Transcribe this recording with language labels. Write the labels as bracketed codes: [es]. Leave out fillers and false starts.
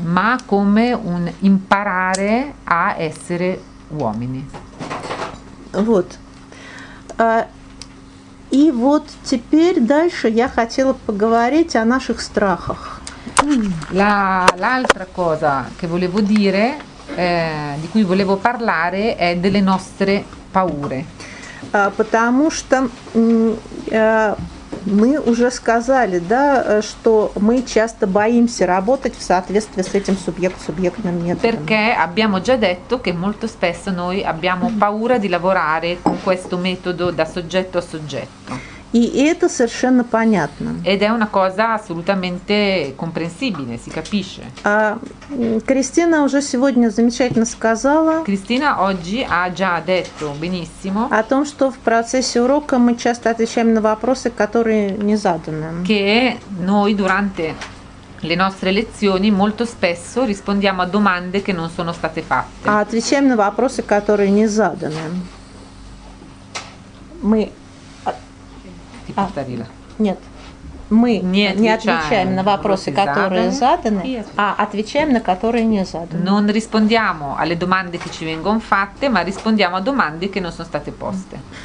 [it] Ma come un imparare a essere uomini. [ru] Вот. И вот теперь дальше я хотела поговорить о наших страхах. [it] L'altra cosa che volevo dire, di cui volevo parlare, è delle nostre paure. [ru] Потому что мы уже сказали, да, что мы часто боимся работать в соответствии с этим субъект-субъектным методом. [it] Perché abbiamo già detto che molto spesso noi abbiamo paura di lavorare con questo metodo da soggetto a soggetto. [ru] И это совершенно понятно. [it] Ed è una cosa assolutamente comprensibile, si capisce. [ru] Кристина уже сегодня замечательно сказала. [it] Кристина oggi ha già detto benissimo. [ru] О том, что в процессе урока мы часто отвечаем на вопросы, которые не заданы. [it] Che noi durante le nostre lezioni molto spesso rispondiamo a domande che non sono state fatte. [ru] А отвечаем на вопросы, которые не заданы. Мы нет, мы не отвечаем на вопросы, которые заданы, а отвечаем на которые не заданы. [it] Non rispondiamo alle domande che ci vengono fatte, ma rispondiamo a domande che non sono state poste.